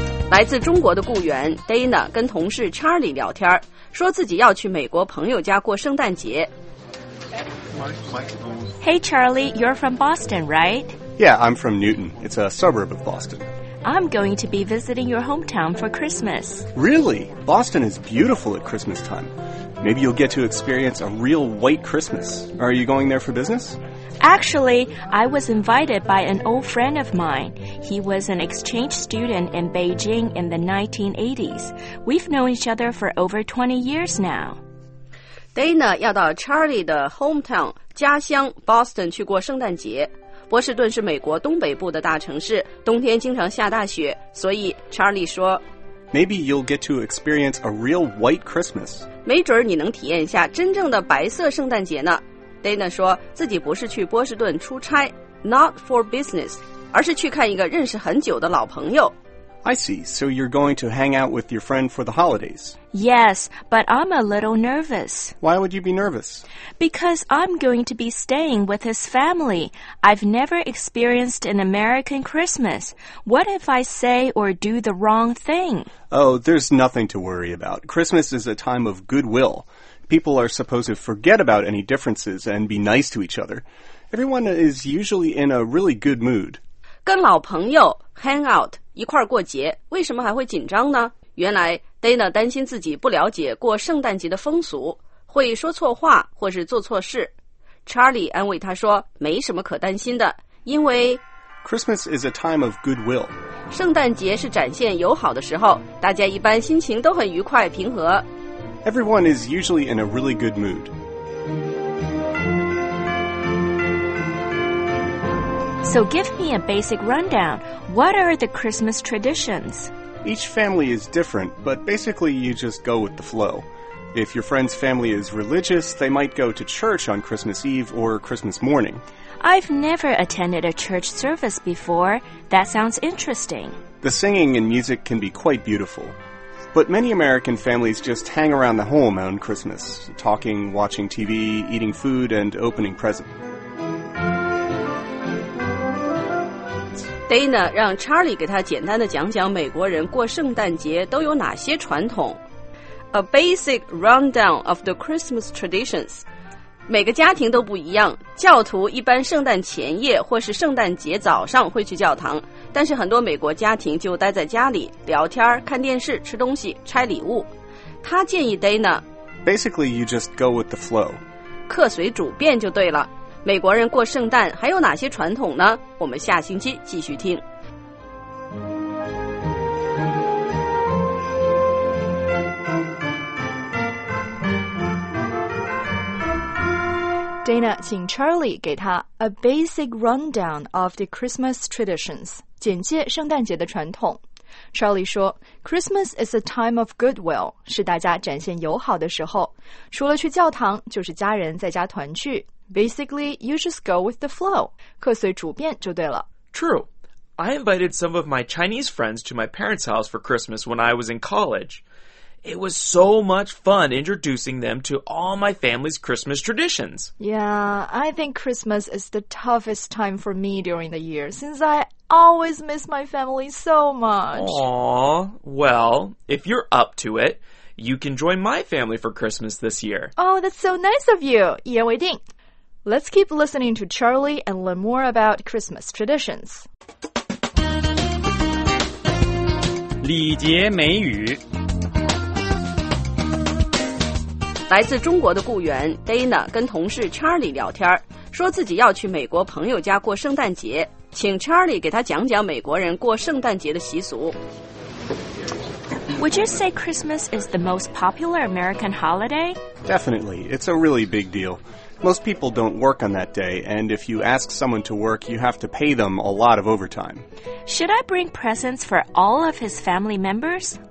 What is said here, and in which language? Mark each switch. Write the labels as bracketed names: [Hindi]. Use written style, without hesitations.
[Chinese] 来自中国的雇员 Dana 跟同事 Charlie 聊天，说自己要去美国朋友家过圣诞节。 [English] Hey Charlie, you're from Boston, right? Yeah, I'm from Newton. It's a suburb of Boston. I'm going to be visiting your hometown for Christmas. Really? Boston is beautiful at Christmas time. Maybe you'll get to experience a real white Christmas. Are you going there for business? Actually, I was invited by an old friend of mine. He was an exchange student in Beijing in the 1980s. We've known each other for over 20 years now. [Chinese] Dana 要到 Charlie 的 hometown 家乡 Boston 去过圣诞节。波士顿是美国东北部的大城市，冬天经常下大雪，所以 Charlie 说 [English] Maybe you'll get to experience a real white Christmas. [Chinese] 没准你能体验一下真正的白色圣诞节呢。Dana 说自己不是去波士顿出差 [English] not for business, [Chinese] 而是去看一个认识很久的老朋友。 [English] I see, so you're going to hang out with your friend for the holidays. Yes, but I'm a little nervous. Why would you be nervous? Because I'm going to be staying with his family. I've never experienced an American Christmas. What if I say or do the wrong thing? Oh, there's nothing to worry about. Christmas is a time of goodwill. People are supposed to forget about any differences and be nice to each other. Everyone is usually in a really good mood. [Chinese] 跟老朋友 [English] hang out [Chinese] 一块儿过节，为什么还会紧张呢？原来 Dana 担心自己不了解过圣诞节的风俗，会说错话或是做错事。 Charlie 安慰他说没什么可担心的，因为 [English] Christmas is a time of goodwill， [Chinese] 圣诞节是展现友好的时候，大家一般心情都很愉快平和。 [English] Everyone is usually in a really good mood。 So give me a basic rundown. What are the Christmas traditions? Each family is different, but basically you just go with the flow. If your friend's family is religious, they might go to church on Christmas Eve or Christmas morning. I've never attended a church service before. That sounds interesting. The singing and music can be quite beautiful. But many American families just hang around the home on Christmas, talking, watching TV, eating food, and opening presents. [Chinese] Dana 让 Charlie 给他简单的讲讲美国人过圣诞节都有哪些传统。 [English] A basic rundown of the Christmas traditions， [Chinese] 每个家庭都不一样，教徒一般圣诞前夜或是圣诞节早上会去教堂，但是很多美国家庭就待在家里聊天、看电视、吃东西、拆礼物。他建议 Dana [English] Basically you just go with the flow， [Chinese] 客随主便就对了。美国人过圣诞还有哪些传统呢？我们下星期继续听。 Dana 请 Charlie 给他 [English] A basic rundown of the Christmas traditions， [Chinese] 简介圣诞节的传统。 Charlie 说 [English] Christmas is a time of goodwill， [Chinese] 是大家展现友好的时候，除了去教堂就是家人在家团聚。 [English] Basically, you just go with the flow. [Chinese] 客随主便就对了。 [English] True. I invited some of my Chinese friends to my parents' house for Christmas when I was in college. It was so much fun introducing them to all my family's Christmas traditions. Yeah, I think Christmas is the toughest time for me during the year, since I always miss my family so much. Aww, well, if you're up to it, you can join my family for Christmas this year. Oh, that's so nice of you. [Chinese] 一言为定。 [English] Let's keep listening to Charlie and learn more about Christmas traditions. [Chinese] 礼节美语。来自中国的雇员 Dana 跟同事 Charlie 聊天，说自己要去美国朋友家过圣诞节，请 Charlie 给他讲讲美国人过圣诞节的习俗。 [English] Would you say Christmas is the most popular American holiday? Definitely. It's a really big deal. Most people don't work on that day, and if you ask someone to work, you have to pay them a lot of overtime. Should I bring presents for all of his family members?